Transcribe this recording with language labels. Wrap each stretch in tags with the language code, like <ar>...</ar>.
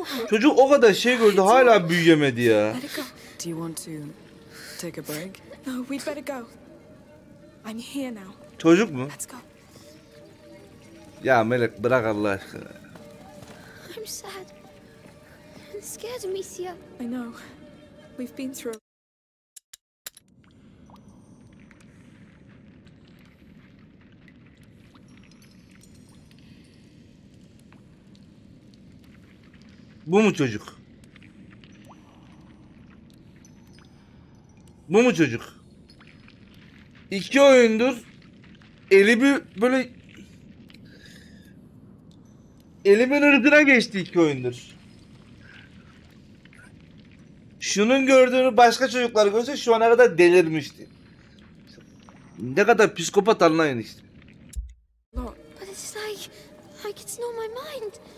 <tr>Çocuk o kadar şey gördü hala büyüyemedi ya.</tr> <en>Do you want to take a break? No, we better go. I'm here now.</en> <tr>Çocuk mu?</tr> <en>Let's go.</en> <tr>Ya Melek bırak Allah aşkına.</tr> <en>I'm sad. I'm scared, Amicia. I know. We've been through.</en> <tr>Bu mu çocuk? Bu mu çocuk? İki oyundur eli bir böyle elimin ırdına geçti iki oyundur. Şunun gördüğünü başka çocuklar görse şu ana kadar delirmişti. Ne kadar psikopat anlayın işte.</tr> <en>But it's like it's not my mind.</en>